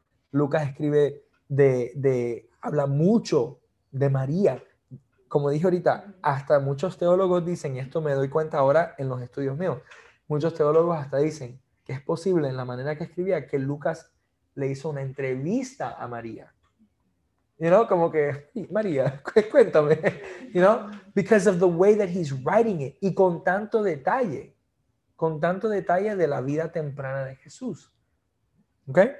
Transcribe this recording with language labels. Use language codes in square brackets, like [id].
[es] Lucas escribe de habla mucho de María. Como dije ahorita, hasta muchos teólogos dicen, y esto me doy cuenta ahora en los estudios míos, muchos teólogos hasta dicen que es posible en la manera que escribía que Lucas le hizo una entrevista a María. [en] You know, [es] como que, María, cuéntame. [en] You know, because of the way that he's writing it. [es] Y con tanto detalle de la vida temprana de Jesús. ¿Ok?